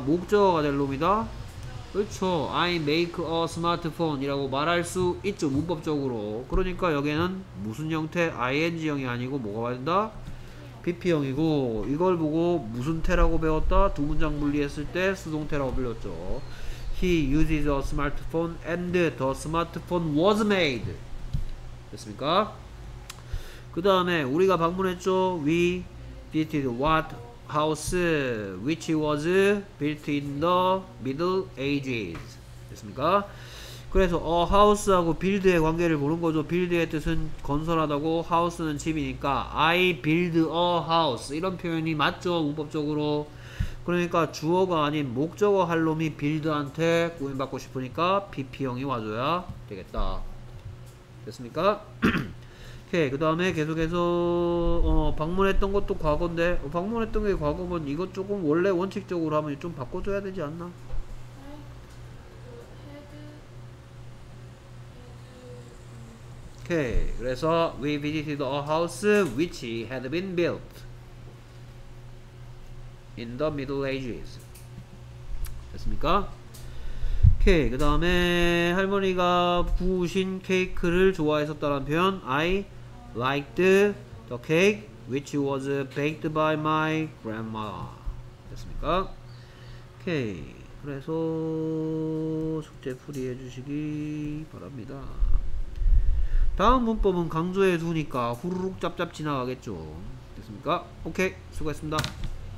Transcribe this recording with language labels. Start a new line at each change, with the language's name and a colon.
Korean: 목적어가 될 놈이다. 그렇죠.
English: I make a smartphone
Korean: 이라고 말할 수 있죠. 문법적으로. 그러니까 여기에는 무슨 형태? ing형이 아니고 뭐가 와야 된다? PP형이고 이걸 보고 무슨 태라고 배웠다? 두 문장 분리했을 때 수동태라고 불렸죠.
English: He uses a smartphone and the smartphone was made.
Korean: 됐습니까? 그 다음에 우리가 방문했죠.
English: We visited what house which was built in the middle ages.
Korean: 됐습니까? 그래서 a house하고 build의 관계를 보는 거죠. build의 뜻은 건설하다고, house는 집이니까
English: I build a house
Korean: 이런 표현이 맞죠. 문법적으로. 그러니까 주어가 아닌 목적어 할 놈이 build한테 꾸임 받고 싶으니까 pp형이 와줘야 되겠다. 됐습니까? 오케이. 그 다음에 계속해서 방문했던 것도 과거인데 방문했던 게 과거면 이것 조금 원래 원칙적으로 하면 좀 바꿔줘야 되지 않나?
English: Okay.
Korean: 그래서
English: we visited a house which had been built in the middle ages.
Korean: 됐습니까? 오케이. 그 다음에 할머니가 부으신 케이크를 좋아했었다라는 표현.
English: I liked the cake which was baked by my grandma.
Korean: 됐습니까? 오케이. 그래서 숙제 풀이 해주시기 바랍니다. 다음 문법은 강조해 두니까 후루룩 짭짭 지나가겠죠. 됐습니까? 오케이. 수고했습니다.